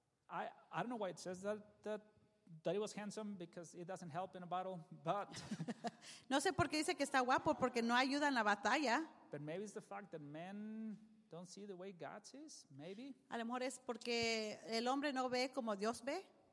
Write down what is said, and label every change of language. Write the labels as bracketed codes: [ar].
[en] I don't know why it says that he was handsome, because it doesn't help in a battle, but... [es] No sé por qué dice que está guapo, porque no ayuda en la batalla. [en] But maybe it's the fact that men don't see the way God sees, maybe. [es] A lo mejor es porque el hombre no ve como Dios ve.